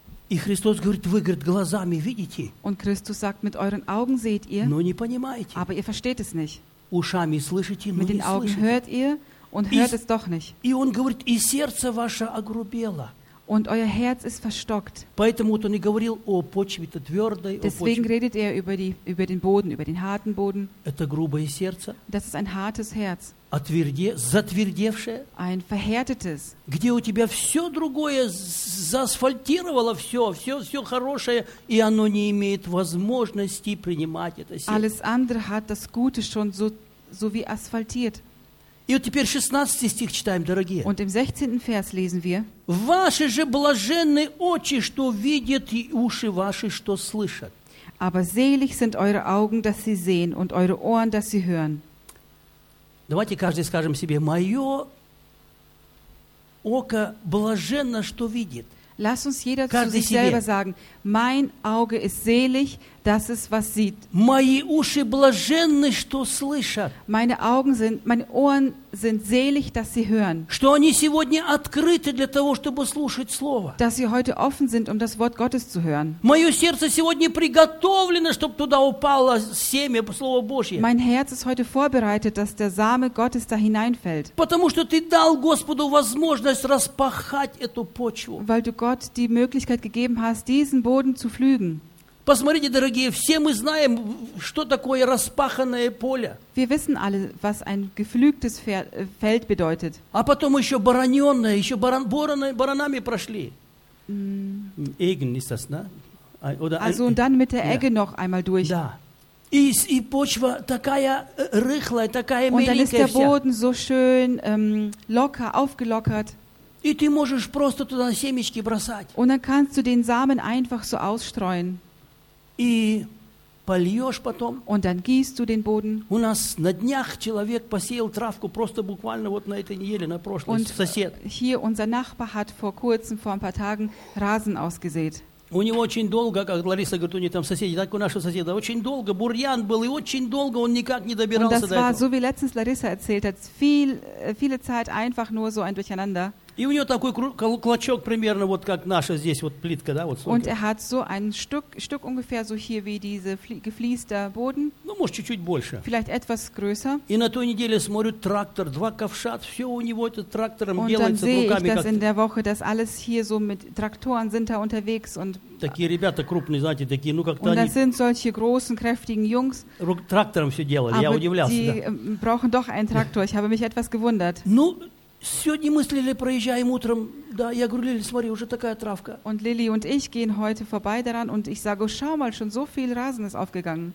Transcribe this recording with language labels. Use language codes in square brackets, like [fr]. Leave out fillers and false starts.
[ru] И Христос говорит: вы, говорит, глазами видите. [de] Und Christus sagt: mit euren Augen seht ihr. [ru] Но не понимаете. [de] Aber ihr versteht es nicht. [ru] Ушами слышите, но [de] mit den [ru] не [de] Augen [ru] слышите. [de] Hört ihr und hört es doch nicht. [ru] И он говорит: и сердце ваше огрубело. [de] Und euer Herz ist verstockt. [ru] Поэтому вот он и говорил о почве-то твердой. [de] Deswegen redet er über die, über den Boden, über den harten Boden. [ru] Это грубое сердце. [de] Das ist ein hartes Herz. [ru] Затвердевшее. [de] Ein verhärtetes. [ru] Где у тебя все другое заасфальтировало все, все, все хорошее, и оно не имеет возможности принимать это сердце. [de] Alles andere hat das Gute schon so, so wie asphaltiert. [ru] И вот теперь 16 стих читаем, дорогие. [de] Und im 16. Vers lesen wir: [ru] Ваши же блаженны очи, что видят, и уши ваши, что слышат. [de] Aber selig sind eure Augen, dass sie sehen, und eure Ohren, dass sie hören. [ru] Давайте каждый скажем себе: мое око блаженно, что видит. [de] Lass uns jeder [ru] каждый [de] zu sich [ru] себе. [de] Selber sagen: mein Auge ist selig, das ist, was sieht. [ru] Мои уши блаженны, что слышат. [de] Meine Augen sind, meine Ohren sind selig, dass sie hören. [ru] Что они сегодня открыты для того, чтобы слушать Слово. [de] Dass sie heute offen sind, um das Wort Gottes zu hören. [ru] Мое сердце сегодня приготовлено, чтобы туда упало семя Слова Божьего. [de] Mein Herz ist heute vorbereitet, dass der Same Gottes da hineinfällt. [ru] Потому что ты дал Господу возможность распахать эту почву. [de] Weil du Gott die Möglichkeit gegeben hast, diesen Boden zu pflügen. [ru] Посмотрите, дорогие, все мы знаем, что такое распаханное поле. [de] Wir wissen alle, was ein geflügtes Feld bedeutet. [ru] А потом еще бараненное, еще баранами прошли. [de] Эгн, ist das, ne? Oder, also und dann mit der Egge noch einmal durch. [ru] Да. И почва такая рыхлая, такая миленькая. [de] Und dann ist der Boden so schön locker, aufgelockert. [ru] И ты можешь просто туда семечки бросать. [de] Und dann kannst du den Samen einfach so ausstreuen. [ru] И польешь потом. [de] Und dann gießt du den Boden. [ru] У нас на днях человек посеял травку просто буквально вот на этой неделе, на прошлой, [de] Und [ru] сосед. [de] Hier unser Nachbar hat vor kurzem, vor ein paar Tagen, Rasen ausgesät. [ru] У него очень долго, как Лариса говорит, у него там соседи, так у нашего соседа, очень долго бурьян был, и очень долго он никак не добирался до этого. [de] Und das war, so wie letztens Larissa erzählt hat, viele Zeit einfach nur so ein Durcheinander. [ru] И у него такой клочок примерно вот как наша здесь вот плитка, да, вот столько. [de] Und hat so ein Stück ungefähr so hier wie diese gefliester Boden. [ru] Ну, может, чуть-чуть больше. [de] Vielleicht etwas größer. [ru] И на той неделе смотрю трактор, два ковша, все у него это трактором делается руками. [de] Und dann sehe ich, dass in der Woche das alles hier so mit Traktoren sind da unterwegs und [ru] такие ребята крупные, знаете, такие, ну как-то они. [de] Und das sind solche großen kräftigen Jungs. [ru] Трактором все делали, [de] aber [ru] я удивлялся. [de] Aber die brauchen doch einen Traktor. Ich habe mich etwas gewundert. [ru] Ну сегодня мы с Лили проезжаем утром, да, я говорю, Лили, смотри, уже такая травка. [de] Und Lili und ich gehen heute vorbei daran und ich sage, schau mal, schon so viel Rasen ist aufgegangen.